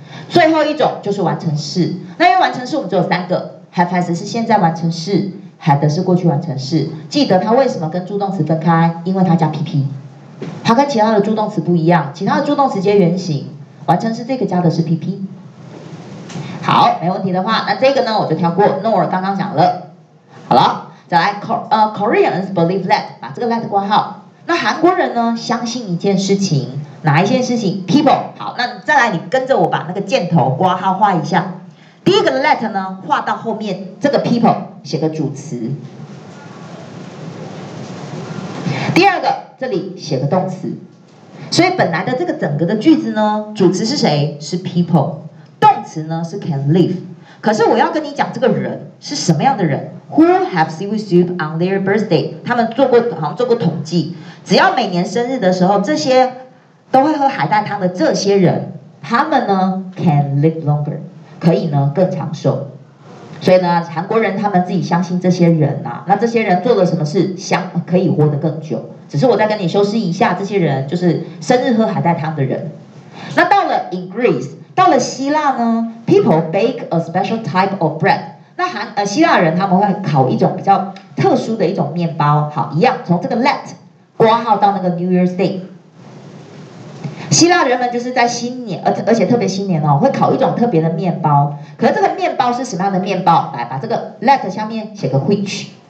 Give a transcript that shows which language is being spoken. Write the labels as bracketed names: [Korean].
[Chinese] 最后一种就是完成式，那因为完成式我们只有三个 ，have has 是现在完成式 ，had 是过去完成式。记得它为什么跟助动词分开？因为它加 pp， 它跟其他的助动词不一样，其他的助动词接原形，完成式这个加的是 pp。好，没问题的话，那这个呢我就跳过 ，nor 刚刚讲了，好了。再来 [English] Koreans believe that， [Chinese] 把这个 let 括号。那韩国人呢相信一件事情，哪一件事情？ [English] People。 [Chinese] 好，那再来你跟着我把那个箭头括号画一下，第一个 let 呢画到后面这个 people 写个主词，第二个这里写个动词，所以本来的这个整个的句子呢，主词是谁？是 people， 动词呢是 can live。可是我要跟你讲这个人是什么样的人， [English] Who have seaweed soup on their birthday？ [Chinese] 他们做过，好像做过统计，只要每年生日的时候，这些都会喝海带汤的这些人，他们呢 [English] can live longer， [Chinese] 可以呢更长寿。所以呢，韩国人他们自己相信这些人啊，那这些人做了什么事，想可以活得更久。只是我再跟你修饰一下，这些人就是生日喝海带汤的人。那到了 [English] in Greece， [Chinese] 到了希腊呢 [English] ，people bake a special type of bread。 [Chinese] 那希腊人他们会烤一种比较特殊的一种面包，好，一样从这个 let 括号到那个 New Year's Day。希腊人们就是在新年，而且特别新年哦，会烤一种特别的面包。可是这个面包是什么样的面包？来，把这个 let 下面写个 which。